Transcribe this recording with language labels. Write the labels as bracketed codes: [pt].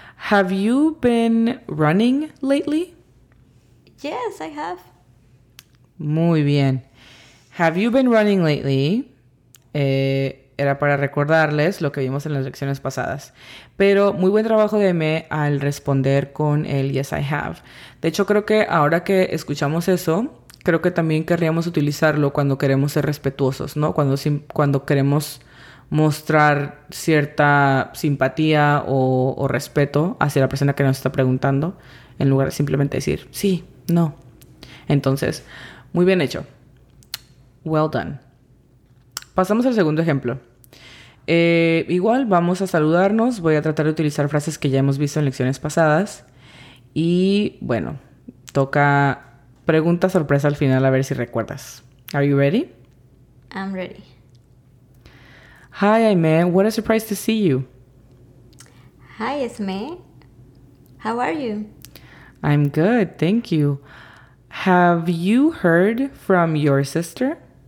[en] Have you been running lately? Yes, I have. [es] Muy bien. [en] Have you been running lately? [es] Era para recordarles lo que vimos en las lecciones pasadas. Pero muy buen trabajo de Aimee al responder con el [en] yes, I have. [es] De hecho, creo que ahora que escuchamos eso, creo que también querríamos utilizarlo cuando queremos ser respetuosos, ¿no? Cuando queremos mostrar cierta simpatía o respeto hacia la persona que nos está preguntando, en lugar de simplemente decir sí, no. Entonces, muy bien hecho. [en] Well done. [es] Pasamos al segundo ejemplo. Igual vamos a saludarnos. Voy a tratar de utilizar frases que ya hemos visto en lecciones pasadas. Y bueno, toca pregunta sorpresa al final, a ver si recuerdas. [en] Are you ready? I'm ready. Hi, Aimé. What a surprise to see you. Hi, Esme. How are you? I'm good, thank you. Have you heard from your sister?